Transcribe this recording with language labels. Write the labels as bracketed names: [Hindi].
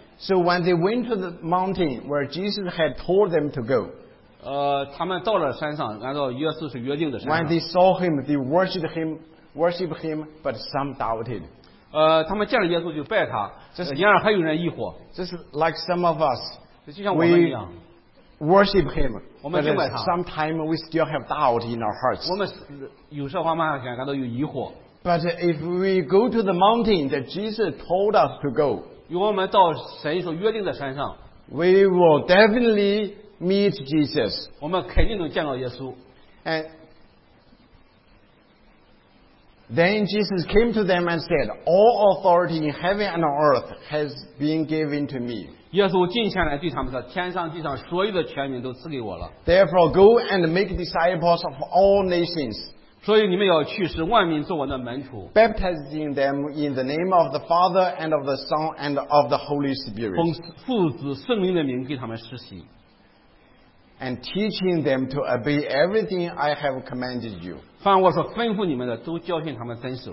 [English] So when they went to the mountain where Jesus had told them to go, [Chinese] 他们到了山上，按照耶稣是约定的山上。 [English] When they saw him, they worshiped him, but some doubted. [Chinese] 他们见了耶稣就拜他，然而还有人疑惑。 [English] This is like some of us. [Chinese] 就像我们一样。 [English] We worship him, but sometimes we still have doubt in our hearts. [Chinese] 我们有时候慢慢感到有疑惑。 [English] But if we go to the mountain that Jesus told us to go, [Chinese] 与我们到神所约定的山上, [English] we will definitely meet Jesus. [Chinese] 我们肯定能见到耶稣。 [English] And then Jesus came to them and said, All authority in heaven and on earth has been given to me. [Chinese] 耶稣近前来对他们说，天上地上所有的权柄都赐给我了。 [English] Therefore, go and make disciples of all nations. [Chinese] 所以你们要去使万民做我的门徒。 [English] Baptizing them in the name of the Father and of the Son and of the Holy Spirit. [Chinese] 奉父子圣灵的名给他们施洗。 [English] And teaching them to obey everything I have commanded you. [Chinese] 凡我所吩咐你们的都教训他们遵守。